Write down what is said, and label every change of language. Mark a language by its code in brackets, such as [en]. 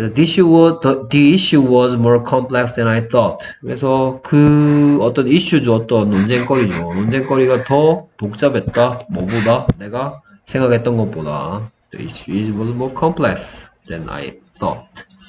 [en] The issue was more complex than I thought. [ko] 그래서 그 어떤 이슈죠. 어떤 논쟁거리죠. 논쟁거리가 더 복잡했다. 뭐보다 내가 생각했던 것보다. [en] The issue was more complex than I thought.